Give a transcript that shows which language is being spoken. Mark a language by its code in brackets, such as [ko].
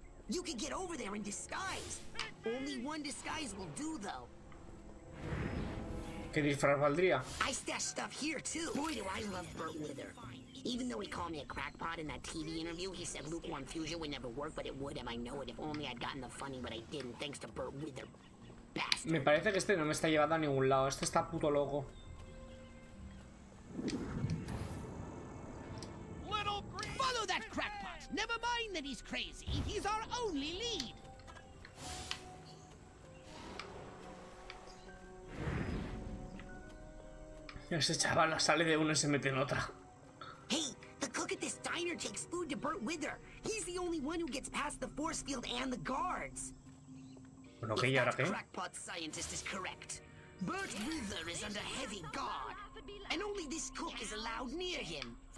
[en] You can get over there in disguise. Only one disguise will do, though. [es] ¿Qué disfraz valdría? [en] I stash stuff here too. Boy, do I love Bert Wither. Even though he called me a crackpot in that TV interview, he said lukewarm fusion would never work, but it would, and I know it. If only I'd gotten the funny, but I didn't. Thanks to Bert Wither. [es] Me parece que este no me está llevando a ningún lado. Este está puto loco. [en] Follow that crackpot. Never mind that he's crazy. He's our only lead. [es] Ese chaval sale de una y se mete en otra. [en] Hey, the cook at this diner takes food to Bert Wither. He's the only one who gets past the force field and the guards. [es] Bueno, ¿qué y ahora qué? [en] Crackpot scientist is correct. Bert Wither is under heavy guard, and only this cook is allowed near him.